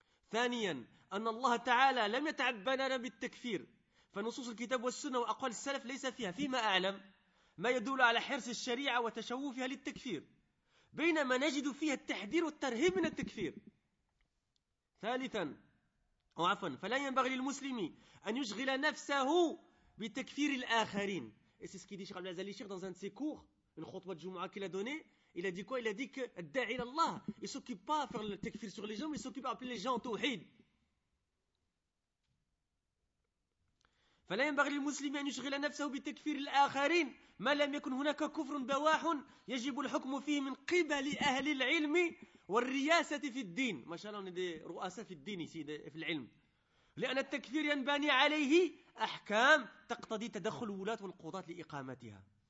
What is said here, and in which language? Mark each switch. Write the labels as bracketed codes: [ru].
[ar] ثانيا أن الله تعالى لم يتعبننا بالتكفير، فنصوص الكتاب والسنة وأقوال السلف ليس فيها فيما أعلم ما يدل على حرص الشريعة وتشوفها للتكفير، بينما نجد فيها التحذير والترهيب من التكفير. ثالثا فلا ينبغي للمسلم أن يشغل نفسه بتكفير الآخرين. [fr] Et c'est ce qu'il dit Cheikh Abdel Azali Cheikh dans un de ses cours, une khutbah de Jumu'ah qu'il a donné. Il a dit quoi? Il a dit que Da'i Allah, il ne s'occupe pas à faire le takfir sur les gens, mais il s'occupe à appeler les gens au tawhid. [ar] فلا ينبغي للمسلم أن يشغل نفسه بتكفير الآخرين ما لم يكن هناك كفر بواح يجب الحكم فيه من قبل أهل العلم والرياسة في الدين. ما شاء الله ندي رؤساء في الدين في العلم، لأن التكفير ينبني عليه أحكام تقتضي تدخل الولاة والقضاة لإقامتها.